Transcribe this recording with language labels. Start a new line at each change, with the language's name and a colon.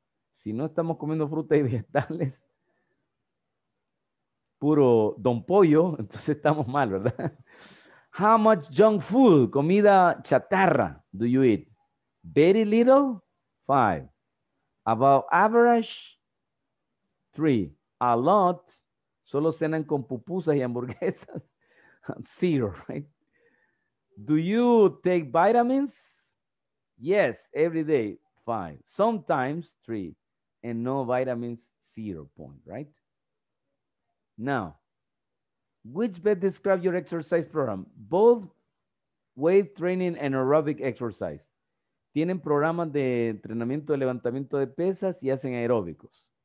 Spanish: Si no estamos comiendo fruta y vegetales, puro don pollo, entonces estamos mal, ¿verdad?
English: How much junk food,
Spanish: comida chatarra,
English: do you eat? Very little? 5. About average? 3. A lot?
Spanish: Solo cenan con pupusas y hamburguesas? 0, right?
English: Do you take vitamins? Yes, every day, 5. Sometimes, 3. And no vitamins, 0 point, right? Now, which best describe your exercise program? Both weight training and aerobic exercise.
Spanish: Tienen programas de entrenamiento de levantamiento de pesas y hacen aeróbicos.